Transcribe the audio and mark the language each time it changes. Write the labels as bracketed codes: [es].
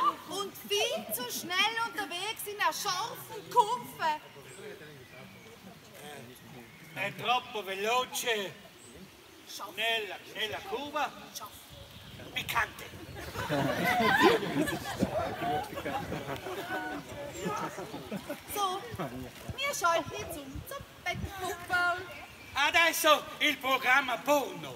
[de] Und viel zu schnell unterwegs in der scharfen Kurve. [it] È troppo veloce nella Cuba, piccante. [de] So, wir schalten jetzt um zum Bettfußball. [it] Adesso il programma porno.